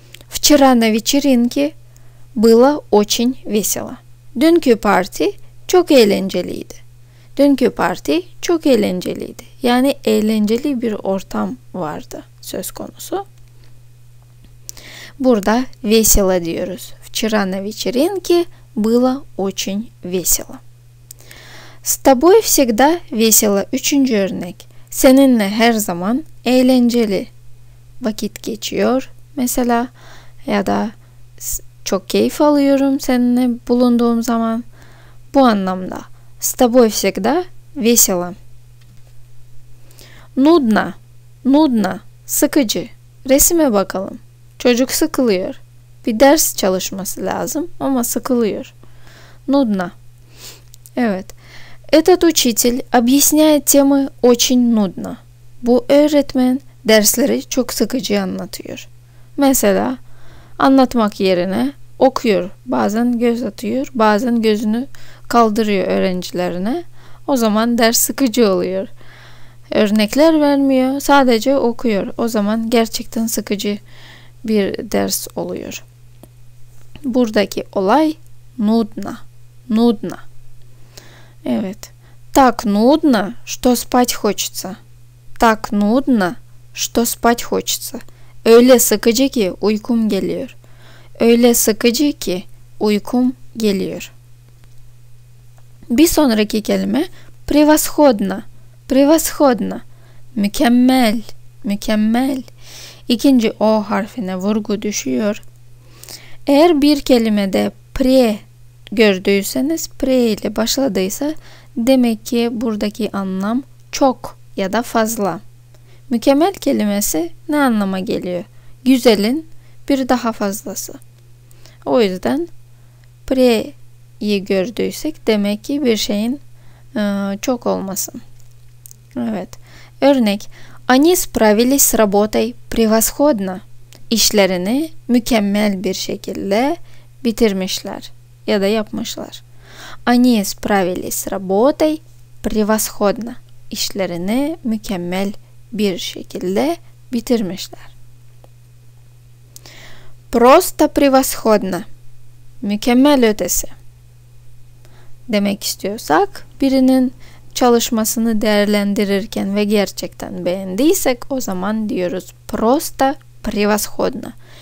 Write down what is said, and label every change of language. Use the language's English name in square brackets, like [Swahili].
[Russian] Вчера на вечеринке было очень весело. [Turkish] Dünkü parti çok eğlenceliydi. Dünkü parti çok eğlenceliydi. Yani eğlenceli bir ortam vardı. Söz konusu. Burada весело diyoruz. [Russian] Вчера на вечеринке было очень весело. С тобой всегда весело. [Turkish] Üçüncü örnek. Seninle her zaman eğlenceli. Vakit geçiyor mesela. Ya da çok keyif alıyorum seninle bulunduğum zaman. Bu anlamda. [Russian] С тобой всегда весело. Нудно. Нудно. [Turkish] Sıkıcı. Resime bakalım. Çocuk sıkılıyor. Bir ders çalışması lazım ama sıkılıyor. Nudna. Evet. [Russian] Этот учитель объясняет темы очень нудно. [Turkish] Bu öğretmen dersleri çok sıkıcı anlatıyor. Mesela anlatmak yerine okuyor. Bazen göz atıyor, bazen gözünü kaldırıyor öğrencilerine. O zaman ders sıkıcı oluyor. Örnekler vermiyor, sadece okuyor. O zaman gerçekten sıkıcı bir ders oluyor. Buradaki olay nudna. Nudna. Evet. [Russian] Так нудно, что спать хочется. Так нудно, что спать хочется. [Turkish] Öyle sıkıcı ki uykum geliyor. Öyle sıkıcı ki uykum geliyor. Bir sonraki kelime превосходно. Превосходно. Mükemmel. Mükemmel. İkinci O harfine vurgu düşüyor. Eğer bir kelimede pre gördüyseniz, pre ile başladıysa demek ki buradaki anlam çok ya da fazla. Mükemmel kelimesi ne anlama geliyor? Güzelin bir daha fazlası. O yüzden pre'yi gördüysek demek ki bir şeyin çok olmasın. Evet. Örnek. [Russian] Они справились с работой превосходно. [Turkish] İşlerini mükemmel bir şekilde bitirmişler ya da yapmışlar. [Russian] Они справились с работой превосходно. [Turkish] İşlerini mükemmel bir şekilde bitirmişler. [Russian] Просто превосходно. [Turkish] Mükemmel ötesi. Demek istiyorsak birinin çalışmasını değerlendirirken ve gerçekten beğendiysek o zaman diyoruz [Russian] просто превосходно.